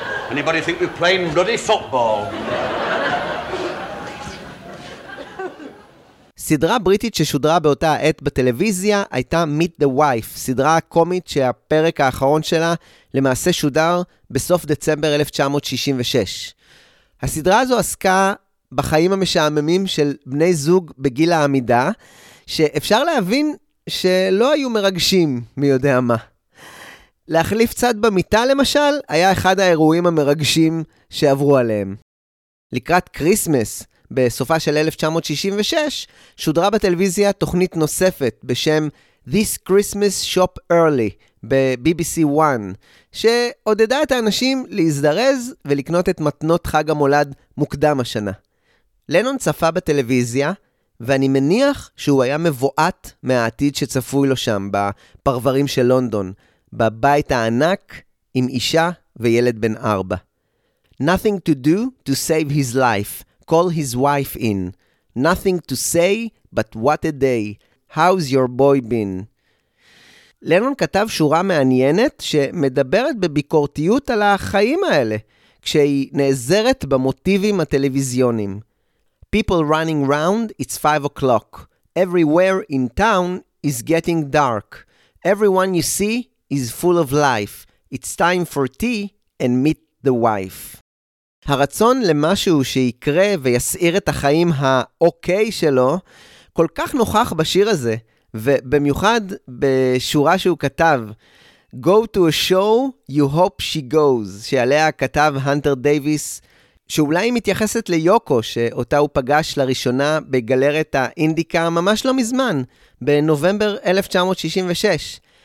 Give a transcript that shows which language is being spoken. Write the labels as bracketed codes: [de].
[en] Anybody think we're playing bloody football? [he] סדרה בריטית ששודרה באותה העת בטלוויזיה הייתה Meet the Wife, סדרה קומית שהפרק האחרון שלה למעשה שודר בסוף דצמבר 1966. הסדרה הזו עסקה בחיים המשעממים של בני זוג בגיל העמידה, שאפשר להבין שלא היו מרגשים מי יודע מה. להחליף צד במיטה, למשל, היה אחד האירועים המרגשים שעברו עליהם. לקראת קריסמס, בסופה של 1966, שודרה בטלוויזיה תוכנית נוספת בשם This Christmas Shop Early ב-BBC One, שעודדה את האנשים להזדרז ולקנות את מתנות חג המולד מוקדם השנה. לנון צפה בטלוויזיה, ואני מניח שהוא היה מבועת מהעתיד שצפוי לו שם, בפרברים של לונדון, בבית הענק עם אישה וילד בן ארבע. [en] Nothing to do to save his life. Call his wife in. Nothing to say but what a day. How's your boy been? [he] לנון כתב שורה מעניינת שמדברת בביקורתיות על החיים האלה, כשהיא נעזרת במוטיבים הטלוויזיונים. [en] People running round, it's 5 o'clock. Everywhere in town is getting dark. Everyone you see is full of life. It's time for tea and meet the wife. [he] הרצון למשהו שיקרה ויסעיר את החיים האוקיי שלו כל כך נוכח בשיר הזה, ובמיוחד בשורה שהוא כתב, [en] Go to a show you hope she goes, [he] שעליה כתב הנטר דייביס, שאולי מתייחסת ליוקו שאותה הוא פגש לראשונה בגלרת האינדיקה ממש לא מזמן, בנובמבר 1966.